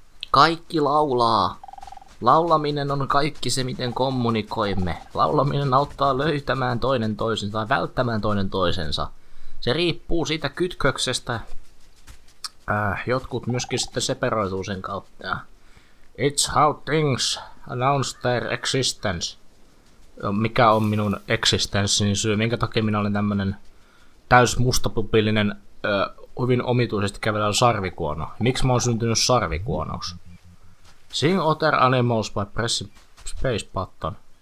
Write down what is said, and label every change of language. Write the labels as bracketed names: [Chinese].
[Finnish] Kaikki laulaa. Laulaminen on kaikki se, miten kommunikoimme. Laulaminen auttaa löytämään toinen toisensa tai välttämään toinen toisensa. Se riippuu siitä kytköksestä. Jotkut myöskin sitten separoituu sen kautta. [English] It's how things announce their existence. [Finnish] Mikä on minun existenssini syy? Minkä takia minä olen tämmönen täys mustapupillinen, hyvin omituisesti kävelevän sarvikuono? Miksi mä oon syntynyt sarvikuonoksi? [English] Sing other animals by pressing space button.